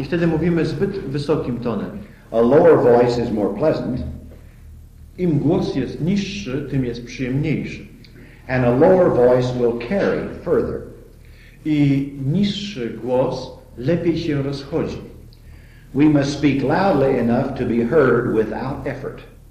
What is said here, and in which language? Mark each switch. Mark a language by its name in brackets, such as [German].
[Polish] I wtedy mówimy zbyt wysokim tonem. [English] A lower voice is more pleasant. [Polish] Im głos jest niższy, tym jest przyjemniejszy. [English] And a lower voice will carry further. [Polish] I niższy głos lepiej się rozchodzi. [English] We must speak loudly enough to be heard without effort.